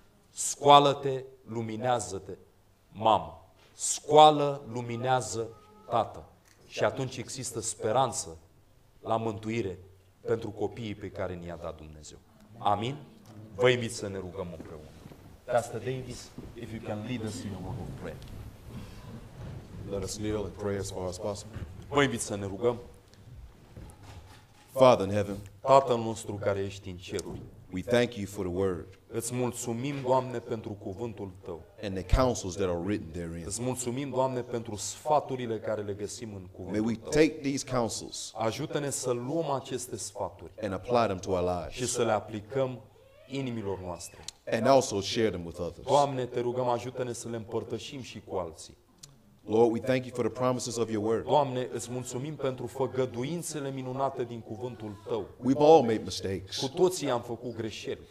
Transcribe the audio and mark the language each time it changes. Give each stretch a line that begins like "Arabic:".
Romanian: Scoală-te, luminează-te, mamă. Scoală, luminează, tată. Și atunci există speranță la mântuire pentru copiii pe care ni-a dat Dumnezeu. Amin? Vă invit să ne rugăm împreună.
English: Pastor Davis, if you can lead us in a word of prayer. Let us kneel and pray as far as possible.
Romanian: Vă invit să ne rugăm.
English: Father in heaven,
Romanian: Tatăl nostru care ești în ceruri,
English: we thank you for the word.
Romanian: Îți mulțumim, Doamne, pentru cuvântul Tău.
English: And the counsels that are written therein.
Romanian: Îți mulțumim, Doamne, pentru sfaturile care le găsim în cuvântul Tău.
English: May we take these counsels.
Romanian: Ajută-ne să luăm aceste sfaturi.
English: And apply them to our lives.
Romanian: Și să le aplicăm inimilor noastre.
English: And also share them with others.
Romanian: Doamne, te rugăm, ajută-ne să le împărtășim și cu alții.
English: Lord, we thank you for the promises of your word.
Romanian: Doamne, îți mulțumim pentru făgăduințele minunate din cuvântul Tău.
English: We've all made mistakes.
Romanian: Cu toții am făcut greșeli.